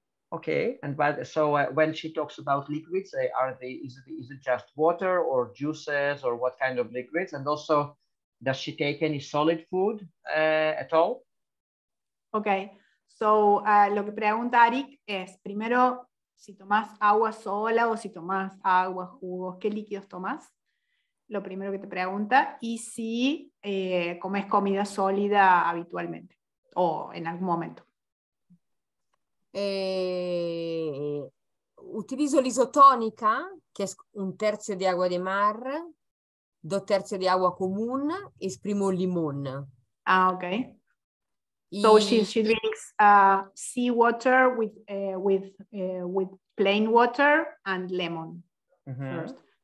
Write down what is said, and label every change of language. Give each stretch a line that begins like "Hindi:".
English: Okay, and when she talks about liquids, is it just water or juices or what kind of liquids? And also, does she take any solid food at all? Okay.
Spanish: So, lo que pregunta Arik es, primero, si tomas agua sola o si tomas agua, jugos, ¿qué líquidos tomas? Lo primero que te pregunta. Y si comes comida sólida habitualmente o en algún momento. Utilizo la isotónica, que es 1/3 de agua de mar, 2/3 de agua común, exprimo limón. Ah, ok.
English: So she drinks sea water with plain water and lemon first.